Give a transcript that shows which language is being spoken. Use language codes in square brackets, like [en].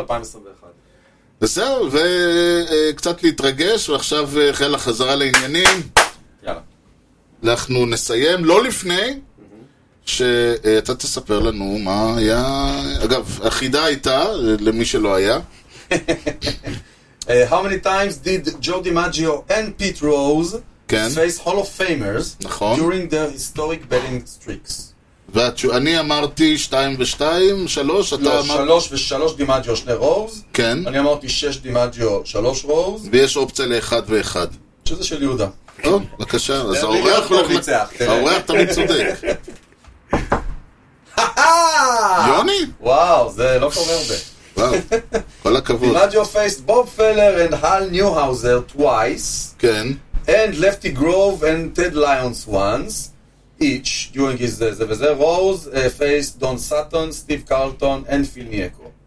[he] 2021. בסדר, וקצת להתרגש, ועכשיו החלה חזרה לעניינים. יאללה. אנחנו נסיים, לא לפני, שאתה תספר לנו מה היה... אגב, החידה הייתה, למי שלא היה. [en] How many times did Joe DiMaggio and Pete Rose... [he] כן. [en] Face Hall of Famers, [he] נכון. [en] During their historic betting streaks. [he] ואני אמרתי 2 ו-2, 3, לא, 3 ו-3 דימג'יו, 2 רוז. כן. אני אמרתי 6 דימג'יו, 3 רוז. ויש אופציה ל-1 ו-1. שזה של יהודה. טוב, בבקשה. אז האורח לא ניצח. האורח תמיד צודק. יוני? וואו, זה לא קורה הרבה. וואו, כל הכבוד. [en] דימג'יו faced בוב פלר and הל ניוהאוזר twice. [he] כן. [en] And Lefty Grove and Ted Lyons once each during his Rose faced Don Sutton, Steve Carlton and Phil Mieko.